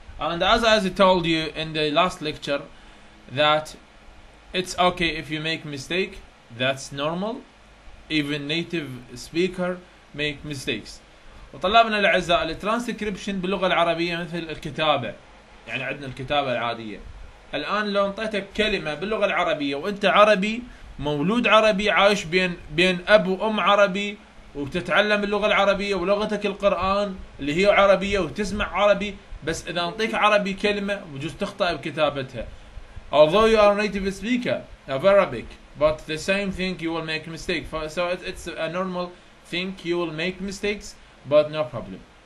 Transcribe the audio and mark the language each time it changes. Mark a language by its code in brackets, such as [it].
[en] And as I told you in the last lecture, that it's okay if you make mistake. That's normal. Even native speaker make mistakes. [ar] وطلابنا الأعزاء، الترانسكريبشن باللغة العربية مثل الكتابة، يعني عندنا الكتابة العادية. الآن لو انطيتك كلمة باللغة العربية وانت عربي، مولود عربي، عايش بين أب وأم عربي، وتتعلم اللغة العربية ولغتك القرآن اللي هي عربية وتسمع عربي، بس إذا انطيك عربي كلمة وجوز تخطأ بكتابتها. [en] Although you are a native speaker of Arabic, but the same thing, you will make mistakes. So it's a normal thing, you will make mistakes, but no problem.